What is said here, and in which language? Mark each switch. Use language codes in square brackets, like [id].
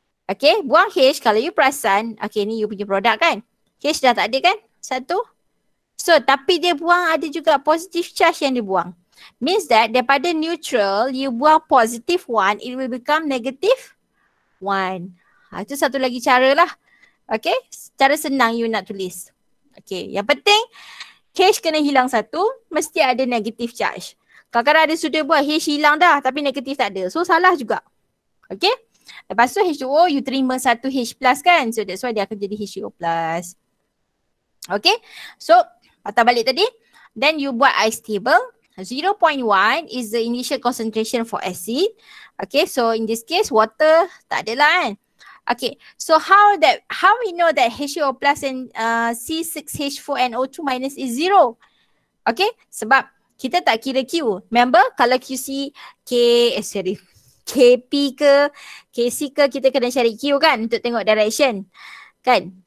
[ms] Okay, buang H kalau you perasan. Okay, ni you punya produk kan? H dah tak ada kan? Satu. So, tapi dia buang ada juga positive charge yang dia buang. [en] Means that daripada neutral, you buang positive one, it will become negative one. [ms] Ha, itu satu lagi cara lah. Okay, cara senang you nak tulis. Okay, yang penting H kena hilang satu, mesti ada negative charge. Kadang-kadang ada sudah buat H hilang dah tapi negatif tak ada. So salah juga. Okay. Lepas tu H2O you terima satu H plus kan. [en] So that's why [ms] dia akan jadi H2O plus. Okay. So patah balik tadi. Then you buat ice table. [en] 0.1 is the initial concentration for acid. Okay. [ms] So in this case water tak adalah kan. Okay. [en] So how we know that H2O plus and C6H4NO2 minus is zero? [ms] Okay. Sebab kita tak kira Q. Remember kalau QC KP ke KC ke kita kena cari Q kan untuk tengok direction. Kan?